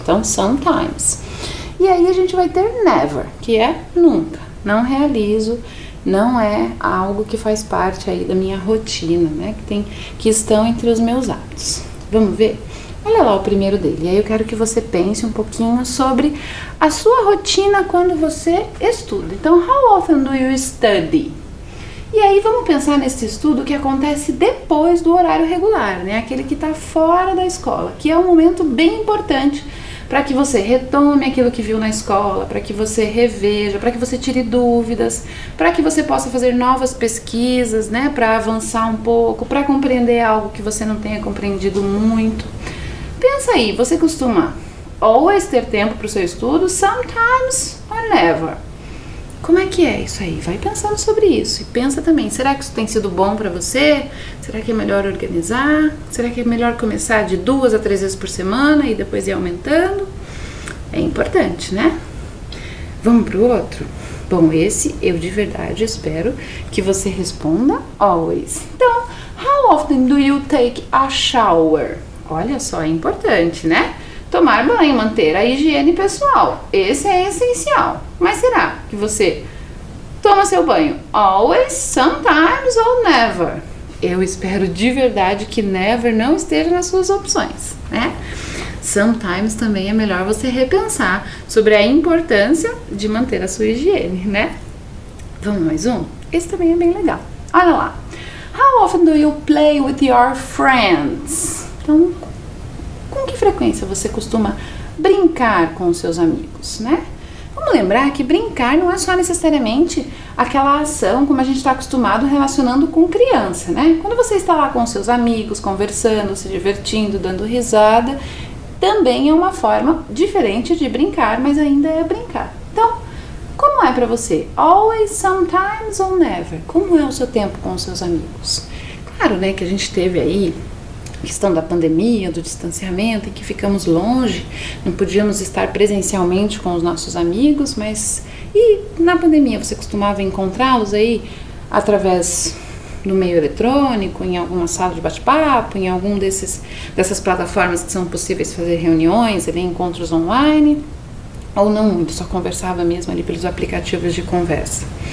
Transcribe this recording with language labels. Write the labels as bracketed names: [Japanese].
[Portuguese] Então, sometimes. E aí a gente vai ter never, que é nunca. Não realizo, não é algo que faz parte aí da minha rotina, né? Que estão entre os meus hábitos. Vamos ver? Olha lá o primeiro dele. E aí eu quero que você pense um pouquinho sobre a sua rotina quando você estuda. [English] Então, how often do you study? [Portuguese] E aí vamos pensar nesse estudo que acontece depois do horário regular, né? Aquele que está fora da escola, que é um momento bem importante para que você retome aquilo que viu na escola, para que você reveja, para que você tire dúvidas, para que você possa fazer novas pesquisas, né? Para avançar um pouco, para compreender algo que você não tenha compreendido muito. Pensa aí, você costuma always ter tempo para o seu estudo, sometimes or never? Como é que é isso aí? Vai pensando sobre isso e pensa também, será que isso tem sido bom para você? Será que é melhor organizar? Será que é melhor começar de 2 a 3 vezes por semana e depois ir aumentando? É importante, né? Vamos pro outro? Bom, esse eu de verdade espero que você responda always. [English] Então, how often do you take a shower? [Portuguese] Olha só, é importante, né? Tomar banho, manter a higiene pessoal. Esse é essencial. Mas será que você toma seu banho always, sometimes ou never? Eu espero de verdade que never não esteja nas suas opções, né? Sometimes também é melhor você repensar sobre a importância de manter a sua higiene, né? Vamos mais um? Esse também é bem legal. Olha lá. [English] How often do you play with your friends? [Portuguese] Então, com que frequência você costuma brincar com os seus amigos, né? Vamos lembrar que brincar não é só necessariamente aquela ação como a gente está acostumado relacionando com criança, né? Quando você está lá com os seus amigos, conversando, se divertindo, dando risada, também é uma forma diferente de brincar, mas ainda é brincar. Então, como é para você? [English] Always, sometimes or never? [Portuguese] Como é o seu tempo com os seus amigos? Claro, né, que a gente teve aí questão da pandemia, do distanciamento, em que ficamos longe, não podíamos estar presencialmente com os nossos amigos, mas e na pandemia você costumava encontrá-los aí através do meio eletrônico, em alguma sala de bate-papo, em algum dessas plataformas que são possíveis fazer reuniões, encontros online, ou não muito, só conversava mesmo ali pelos aplicativos de conversa.